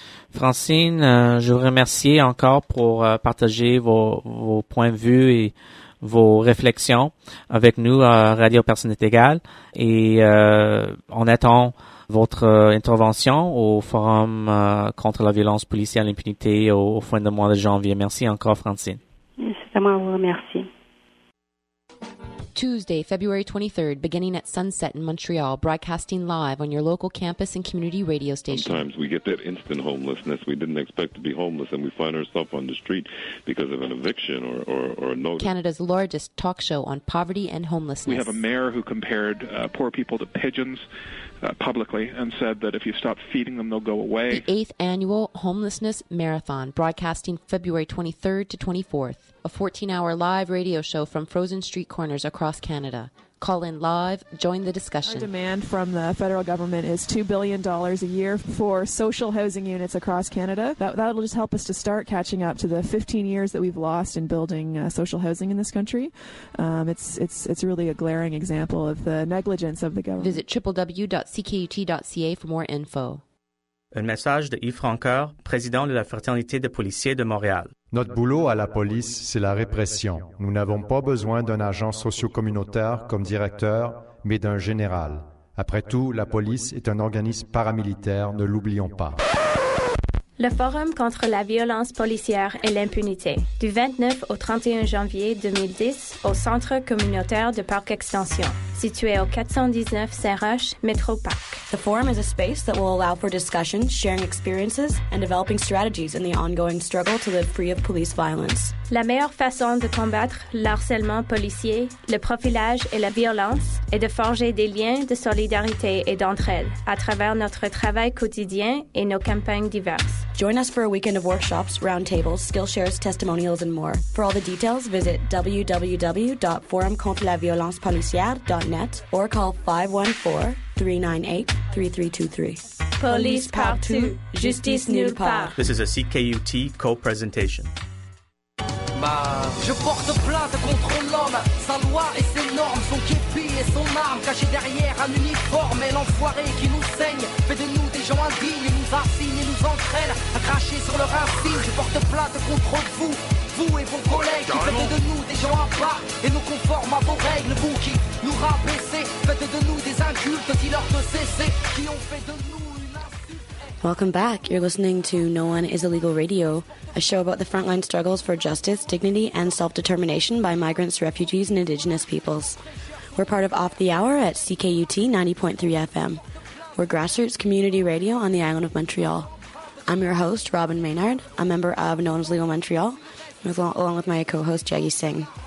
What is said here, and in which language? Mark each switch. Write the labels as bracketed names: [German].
[French] Francine, je vous remercie encore pour partager vos points de vue et vos réflexions avec nous à Radio Personnalité Égale. Et on attend votre intervention au Forum contre la violence policière et l'impunité au fin de mois de janvier. Merci encore, Francine. C'est à moi de vous remercier. [English] Tuesday, February 23rd, beginning at sunset in Montreal, broadcasting live on your local campus and community radio station. Sometimes we get that instant homelessness. We didn't expect to be homeless, and we find ourselves on the street because of an eviction or a notice. Canada's largest talk show on poverty and homelessness. We have a mayor who compared poor people to pigeons publicly and said that if you stop feeding them, they'll go away. The 8th Annual Homelessness Marathon, broadcasting February 23rd to 24th. A 14-hour live radio show from frozen street corners across Canada. Call in live, join the discussion. Our demand from the federal government is $2 billion a year for social housing units across Canada. That'll just help us to start catching up to the 15 years that we've lost in building social housing in this country. It's really a glaring example of the negligence of the government. Visit www.ckut.ca for more info. [French] Un message de Yves Francoeur, président de la Fraternité des policiers de Montréal. Notre boulot à la police, c'est la répression. Nous n'avons pas besoin d'un agent socio-communautaire comme directeur, mais d'un général. Après tout, la police est un organisme paramilitaire, ne l'oublions pas. Le Forum contre la violence policière et l'impunité, du 29 au 31 janvier 2010, au Centre communautaire de Parc Extension, situé au 419 Saint-Roch, Métro Parc. [English] The Forum is a space that will allow for discussion, sharing experiences, and developing strategies in the ongoing struggle to live free of police violence. [French] La meilleure façon de combattre l'harcèlement policier, le profilage et la violence est de forger des liens de solidarité et d'entraide à travers notre travail quotidien et nos campagnes diverses. [English] Join us for a weekend of workshops, roundtables, skill shares, testimonials, and more. For all the details, visit www.forumcontrelaviolencepolicière.net or call 514-398-3323. [French] Police partout, justice nulle part. [English] This is a CKUT co-presentation. [French] Je porte plainte contre l'homme, sa loi et ses normes, son képi et son arme, caché derrière un uniforme. Et l'enfoiré qui nous saigne, fait de nous des gens indignes, nous assigne et nous entraîne à cracher sur leur insigne. Je porte plainte contre vous, vous et vos collègues, qui faites de nous des gens à part et nous conformes à vos règles. Vous qui nous rabaissez, faites de nous des incultes, qui leur de cesser, qui ont fait de nous. [English] Welcome back. You're listening to No One Is Illegal Radio, a show about the frontline struggles for justice, dignity, and self-determination by migrants, refugees, and Indigenous peoples. We're part of Off the Hour at CKUT 90.3 FM. We're grassroots community radio on the island of Montreal. I'm your host, Robin Maynard, a member of No One Is Illegal Montreal, along with my co-host, Jaggy Singh.